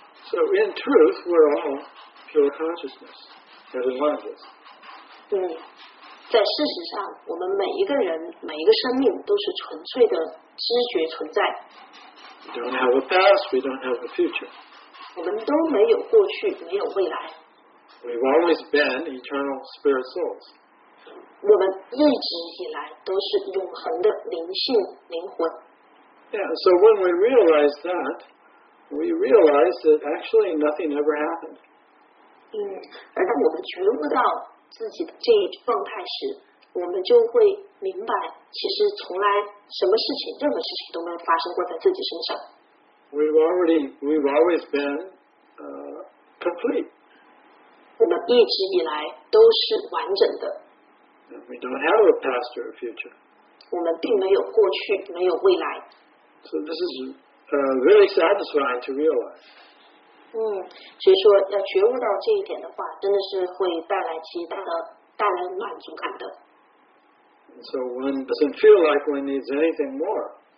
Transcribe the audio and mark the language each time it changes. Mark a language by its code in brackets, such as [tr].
[en] So in truth, we're all pure consciousness, that enlightens. [zh] 在事实上，我们每一个人、每一个生命都是纯粹的知觉存在。 [en] We don't have a past, we don't have a future. [zh] 我们都没有过去，没有未来。 [en] We've always been eternal spirit souls. [zh] 我们一直以来都是永恒的灵性灵魂。 [en] Yeah, so when we realize that, we realize that actually nothing ever happened. [zh] 而当我们觉悟到自己的这一状态时，我们就会明白，其实从来什么事情，任何事情都没有发生过在自己身上。 [en] We've always been complete. [zh] 我们一直以来都是完整的。 [en] We don't have a past or a future. [zh] 我们并没有过去，没有未来。 [en] So this is really satisfying to realize. [zh] 所以说要觉悟到这一点的话，真的是会带来满足感的。 [en] So one doesn't feel like one needs anything more.